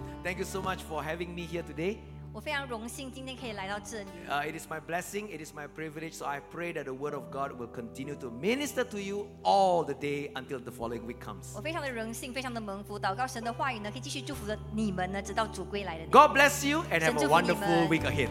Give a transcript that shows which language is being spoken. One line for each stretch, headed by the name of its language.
English: Thank you so much for having me here today.
Chinese: 我非常荣幸今天可以来到这里。
English: It is my blessing, it is my privilege. So I pray that the word of God will continue to minister to you all the day until the following week comes.
Chinese: 我非常的荣幸，非常的蒙福，祷告神的话语呢，可以继续祝福你们呢，直到主归来的那天。
English: God bless you and have a wonderful week ahead.